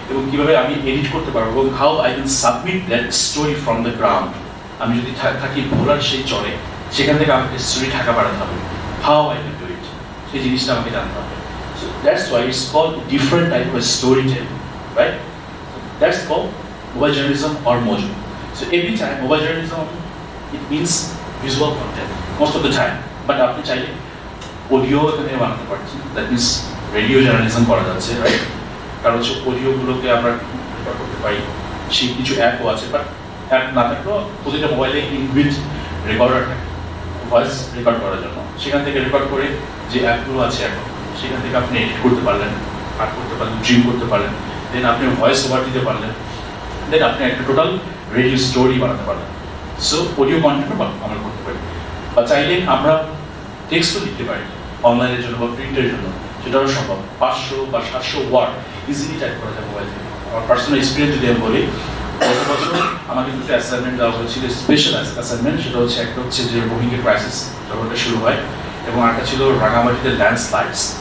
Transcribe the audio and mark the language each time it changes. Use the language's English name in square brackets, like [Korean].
[Bangla] যেভাবে আমি এডিট করতে পারবো, [English] How I can submit that story from the ground. [Bangla] আমি যদি থাকি ভোলার সেই চরে, সেখান থেকে আমাকে স্টোরি ঢাকা বাড়াতে হবে, [English] how I can do it, [Bangla] সেই জিনিসটা আমাকে জানতে হবে। [English] So that's why it's call different type of story telling, right? That's called mobile journalism or mojo. So every time mobile journalism, it means visual content most of the time, but after [Bangla] chaile audio ekhane banate parchi, [English] that means radio journalism [Bangla] kora jacche, [English] right? [Bangla] Karon je audio gulo ke amra record korte pari, she kichu app o ache, but app na thakle odite mobile e inbuilt recorder thake voice record korar jonno, shekhan theke record kore je app gulo ache ekhon shekhan theke apni edit korte parlen, cut korte parlen, trim korte parlen, দেন আপনি voice over দিতে পারলেন, দেন আপনি একটা total radio story বানাতে পারলেন। So audio কন্টেন্টও আমরা করতে পারি। বা চাইলে আমরা টেক্সটও লিখতে পারি অনলাইনের জন্য বা প্রিন্টের জন্য, সেটাও সম্ভব। 500 বা 700 ওয়ার্ড ইজিলি টাইপ করা যায় মোবাইল থেকে। আমার পার্সোনাল এক্সপিরিয়েন্স যদি আমি বলি, গত বছর আমাকে দুটো অ্যাসাইনমেন্ট দেওয়া হয়েছিল, স্পেশাল অ্যাসাইনমেন্ট। সেটা হচ্ছে, একটা হচ্ছে যে রোহিঙ্গা ক্রাইসিস যখন শুরু হয়, এবং একটা ছিল রাঙামাটিতে ল্যান্ডস্লাইডস।